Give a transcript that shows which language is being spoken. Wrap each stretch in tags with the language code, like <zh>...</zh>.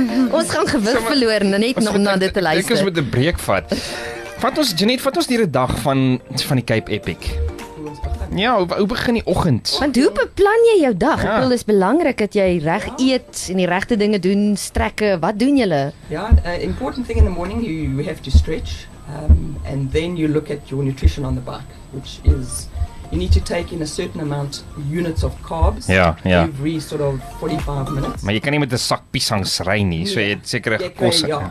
<af>Ons gaan gewig verloor, net nog na dit te luister. Ek is met 'n breek vat. Vat ons hierdie dag van die Cape Epic. Ja, hoe begin die oggend? Want hoe beplan jy jou dag? Ja. Ek wil, dis belangrik dat jy reg eet en die regte dinge doen, strekke. Wat doen julle? Ja,</af> <en>important thing in the morning, you have to stretch. And then you look at your nutrition on the bike, which is you need to take in a certain amount units of carbs every sort of 45 minutes.</en> <af>Maar jy kan nie met 'n sak piesangs ry nie, so jy het sekere kos.</af>